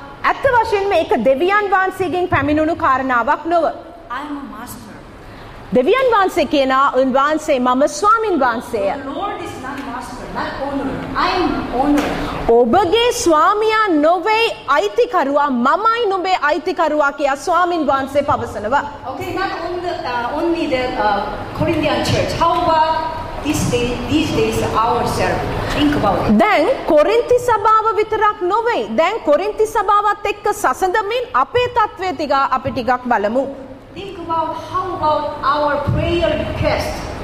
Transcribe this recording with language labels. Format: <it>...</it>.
<si>ඇත්ත වශයෙන්ම ඒක දෙවියන් වහන්සේගෙන් පැමිණුණු කාරණාවක් නොව.</si> <en>I am a master.</en> <si>දෙවියන් වහන්සේ කියනවා උන් වහන්සේ මම ස්වාමින් වහන්සේය.</si> <en>Lord is not master, not owner. I am owner.</en> <si>ඔබගේ ස්වාමියා නොවේ අයිතිකරුවා මමයි නුඹේ අයිතිකරුවා කියලා ස්වාමින් වහන්සේ පවසනවා.</si> <en>Okay, not only the Corinthian church. How about these days ourselves? Think about it.</en> <si>දැන් කොරින්ති සභාව විතරක් නොවේ. දැන් කොරින්ති සභාවත් එක්ක සසඳමින් අපේ තත්වයේ තිගා අපි ටිකක් බලමු.</si> <en>Think about how about our prayer request.</en>